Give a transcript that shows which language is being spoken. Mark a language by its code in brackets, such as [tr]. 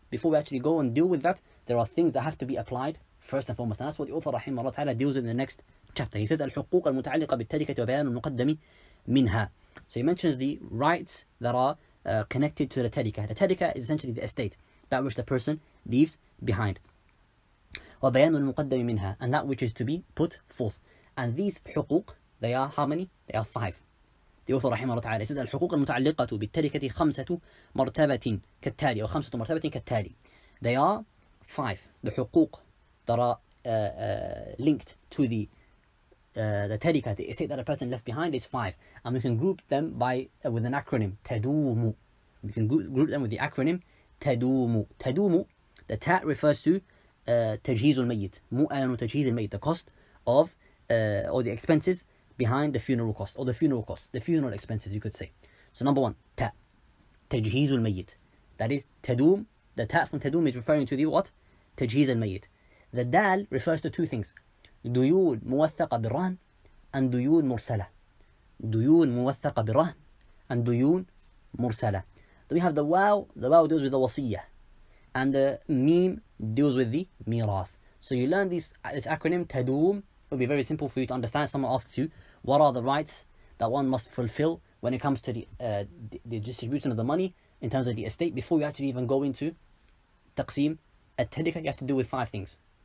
[en] Before we actually go and deal with that, there are things that have to be applied first and foremost, and that's what the author rahimahullah ta'ala deals with in the next chapter. He says al-huquq al-mutaalliqa bit-tarikah wa bayan al-muqaddami minha. So he mentions the rights that are connected to the tarika. The tarika is essentially the estate, that which the person leaves behind. [ar] وبيان المقدم منها, [en] and that which is to be put forth. And these حقوق, they are how many? They are five. The author [ar] رحمه الله تعالى [en] says [ar] الحقوق المتعلقة بالتركة خمسة مرتبة كالتالي, or خمسة مرتبة كالتالي. [en] They are five. The حقوق that are linked to the tarika, the estate that a person left behind, is five. And we can group them with an acronym, تدومو. We can group them with the acronym, تدومو. تدومو, the ta refers to تجهيز الميت. [ar] مؤن تجهيز الميت, [en] the cost of, or the expenses behind the funeral cost, or the funeral cost, the funeral expenses, you could say. So number one, ta, تجهيز الميت. That is, تدوم, the ta from تدوم is referring to the what? [ar] تجهيز الميت. [en] The dal refers to two things. [ar] ديون موثقة بالرهن and ديون مرسلة. ديون موثقة بالرهن and ديون مرسلة. [en] Then we have the waw deals with the wasiyah, and the meme deals with the mirath. So you learn this acronym تدوم, it will be very simple for you to understand. Someone asks you, what are the rights that one must fulfill when it comes to the distribution of the money in terms of the estate before you actually even go into taqseem at-tarika? You have to deal with five things.